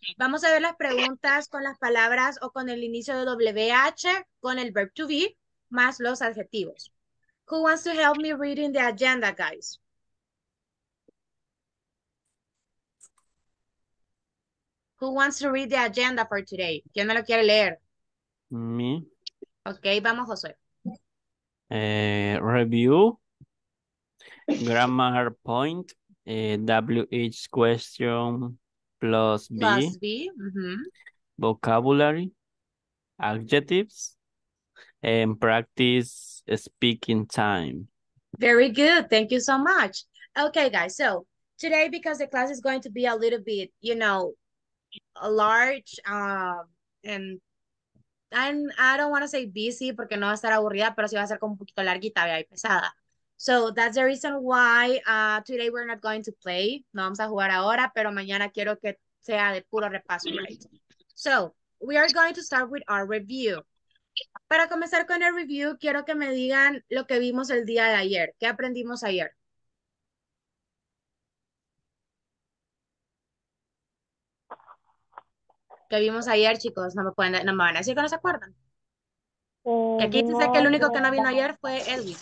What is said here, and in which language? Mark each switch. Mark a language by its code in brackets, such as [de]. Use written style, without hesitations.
[es] Vamos a ver las preguntas con las palabras o con el inicio de WH con el verb to be más los adjetivos. [en] Who wants to help me reading the agenda, guys? Who wants to read the agenda for today? [es] ¿Quién me lo quiere leer? [en] Me. [es] Okay, vamos, Josué. [en] Review. Grammar point. WH question plus B. Plus B. Mm-hmm. Vocabulary. Adjectives. And practice speaking time. Very good. Thank you so much. Okay, guys. So today, because the class is going to be a little bit, you know, a large and I don't want to say busy [es] porque no va a estar aburrida, pero sí va a ser como un poquito larguita, vea, y pesada. [en] So that's the reason why today we're not going to play. [es] No vamos a jugar ahora, pero mañana quiero que sea de puro repaso, right? [en] So we are going to start with our review. [es] Para comenzar con el review, quiero que me digan lo que vimos el día de ayer. ¿Qué aprendimos ayer? ¿Qué vimos ayer, chicos? No me van a decir que no se acuerdan. Que aquí dice que el único que no vino ayer fue Edwin.